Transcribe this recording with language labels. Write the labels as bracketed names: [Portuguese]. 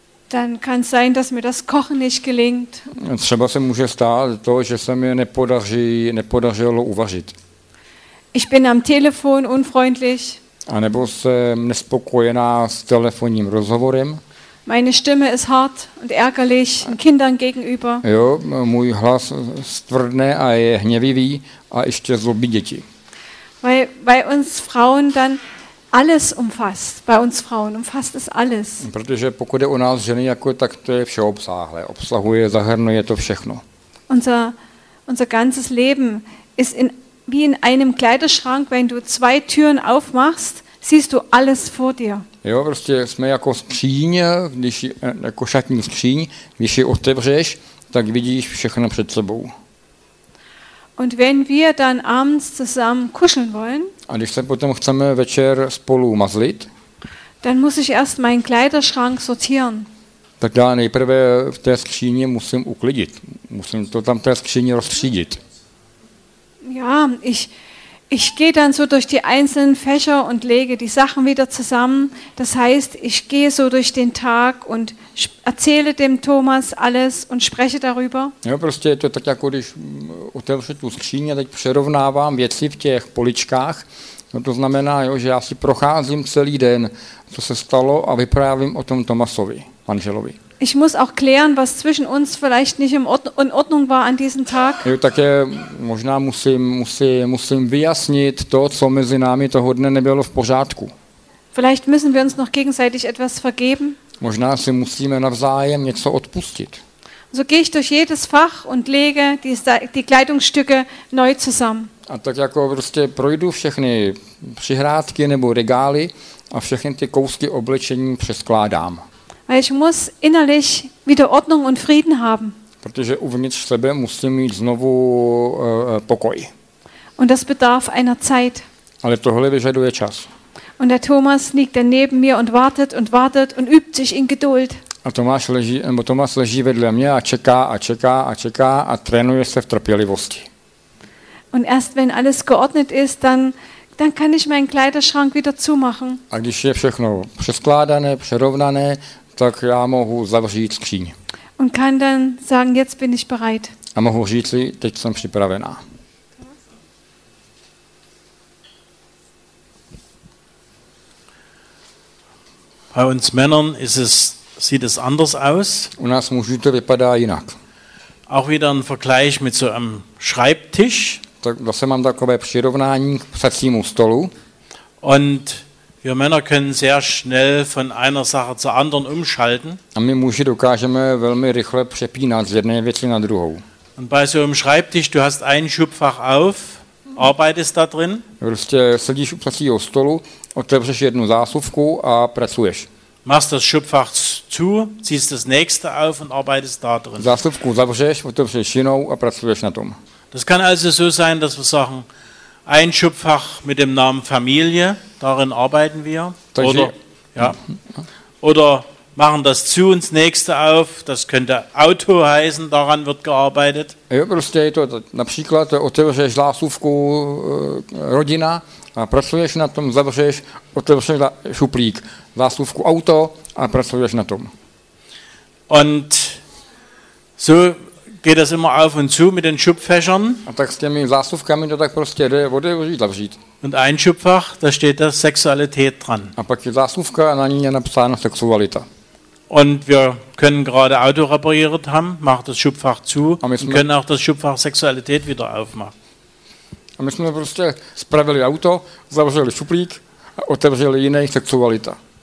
[German] dann kann es sein, dass mir das Kochen nicht gelingt. [Czech] Třeba se může stát to, že se mi nepodařilo uvařit. [German] Ich bin am Telefon unfreundlich. [Czech] A nebo jsem nespokojená s telefonním rozhovorem. [German] Meine Stimme ist hart und ärgerlich den Kindern gegenüber. [Czech] Jo, můj hlas stvrdne a je hněvivý a ještě zlobí děti. [German] Weil uns Frauen dann alles umfasst. Bei uns Frauen umfasst es alles. [Czech] Protože pokud je u nás ženy, jako, tak to je všeobsáhle. Obsahuje, zahrnuje to všechno. [German] Unser ganzes Leben ist in, wie in einem Kleiderschrank, wenn du zwei Türen aufmachst, siehst du alles vor dir. [Czech] Jo, prostě jsme jako skříň, když jako šatní skříň, když ji otevřeš, tak vidíš všechno před sebou. [German] Und wenn wir dann abends zusammen kuscheln wollen, [Czech] a když se potom chceme večer spolu mazlit, [German] dann muss ich erst meinen Kleiderschrank sortieren. [Czech] Tak já nejprve v té skříni musím uklidit, musím to tam v té skříni rozstřídit. [German] Ja, ich gehe dann so durch die einzelnen Fächer und lege die Sachen wieder zusammen. Das heißt, ich gehe so durch den Tag und erzähle dem Thomas alles und spreche darüber. [Czech] Jo, prostě je to tak, jako když otevřu tu skříň a teď přerovnávám věci v těch poličkách. No to znamená, jo, že já si procházím celý den, co se stalo, a vyprávím o tom Tomasovi, manželovi. [German] Ich muss auch klären, was zwischen uns vielleicht nicht in Ordnung war an diesem Tag. [Czech] Jo, tak je, možná musím vyjasnit to, co mezi námi toho dne nebylo v pořádku. [German] Vielleicht müssen wir uns noch gegenseitig etwas vergeben. [Czech] Možná si musíme navzájem něco odpustit. [German] So gehe ich durch jedes Fach und lege die Kleidungsstücke neu zusammen. [Czech] A tak jako prostě projdu všechny přihrádky nebo regály a všechny ty kousky oblečení přeskládám. [German] Weil ich muss innerlich wieder Ordnung und Frieden haben. [Czech] Protože uvnitř sebe musím mít znovu pokoj. [German] Und das bedarf einer Zeit. [Czech] Ale tohle vyžaduje čas. [German] Und der Thomas liegt daneben mir und wartet und wartet und übt sich in Geduld. [Czech] A Tomáš leží vedle mě a čeká a čeká a čeká a trénuje se v trpělivosti. [German] Und erst wenn alles geordnet ist, dann kann ich meinen Kleiderschrank wieder zumachen. [Czech] A když je všechno přeskládané, přerovnané, tak já mohu zavřít skříň. [German] Und kann dann sagen, jetzt bin ich bereit. [Czech] A mohu říct si, teď jsem připravená. [German] Bei uns Männern sieht es anders aus. [Czech] U nás mužů to vypadá jinak. [German] Auch wieder ein Vergleich mit so einem Schreibtisch. [Czech] Tak zase mám takové přirovnání k psacímu stolu. [German] Und wir Männer können sehr schnell von einer Sache zur anderen umschalten. [Czech] A my muži dokážeme velmi rychle přepínat z jedné věci na druhou. [German] Und bei so einem Schreibtisch, du hast ein Schubfach auf, arbeitest da drin. [Czech] Prostě sedíš u psacího stolu, otevřeš jednu zásuvku a pracuješ. [German] Machst das Schubfach zu, ziehst das nächste auf und arbeitest da drin. [Czech] Zásuvku zavřeš, otevřeš jinou a pracuješ na tom. [German] Das kann also so sein, dass wir sagen, ein Schubfach mit dem Namen Familie, darin arbeiten wir. [Czech] Takže, [German] oder machen das zu und das nächste auf, das könnte Auto heißen, daran wird gearbeitet. [Czech] Jo, prostě je to například, otevřeš zásuvku rodina a pracuješ na tom, zavřeš, otevřeš šuplík, zásuvku auto a pracuješ na tom. [German] Und so geht das immer auf und zu mit den Schubfächern. [Czech] A tak s těmi zásuvkami to tak prostě jde, bude vřít, zavřít. [German] Und ein Schubfach, da steht da Sexualität dran. [Czech] A pak je zásuvka a na ní je napsáno Sexualita. [German] Und wir können gerade Auto repariert haben, macht das Schubfach zu und können auch das Schubfach Sexualität wieder aufmachen. [Czech] A my jsme prostě spravili auto, zavřeli šuplík a otevřeli jiný Sexualita.